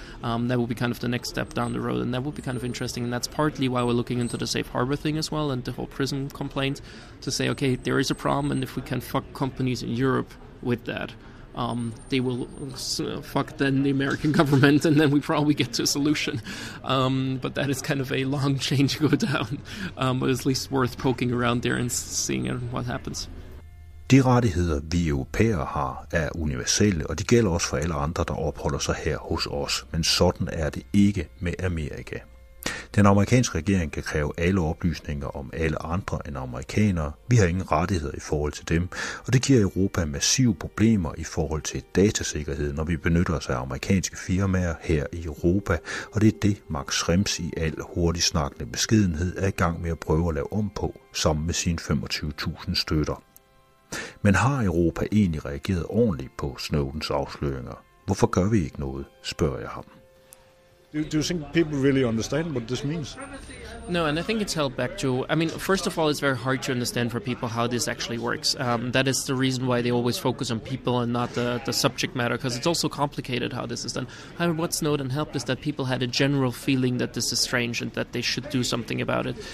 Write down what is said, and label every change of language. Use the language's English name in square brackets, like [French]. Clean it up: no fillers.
[English] That would be kind of the next step down the road, and that would be kind of interesting. And that's partly why we're looking into the safe harbor thing as well, and the whole prison complaint, to say, okay, there is a problem, and if we can fuck companies in Europe with that, they will fuck then the American government, and then we probably get to a solution. But that is kind of a long chain to go down. But it's at least worth poking around there and seeing what happens. [Danish] De rettigheder, vi europæere har, er universelle, og de gælder også for alle andre, der opholder sig her hos os. Men sådan er det ikke med Amerika. Den amerikanske regering kan kræve alle oplysninger om alle andre end amerikanere. Vi har ingen rettigheder i forhold til dem, og det giver Europa massive problemer i forhold til datasikkerhed, når vi benytter os af amerikanske firmaer her i Europa, og det er det, Max Schrems i al hurtigt snakkende beskedenhed er i gang med at prøve at lave om på, sammen med sine 25.000 støtter. Men har Europa egentlig reageret ordentligt på Snowdens afsløringer? Hvorfor gør vi ikke noget, spørger jeg ham. [English] Do you think people really understand what this means? No, and I think it's held back to... I mean, first of all, it's very hard to understand for people how this actually works. That is the reason why they always focus on people and not the subject matter, because it's also complicated how this is done. However, what Snowden helped is that people had a general feeling that this is strange and that they should do something about it.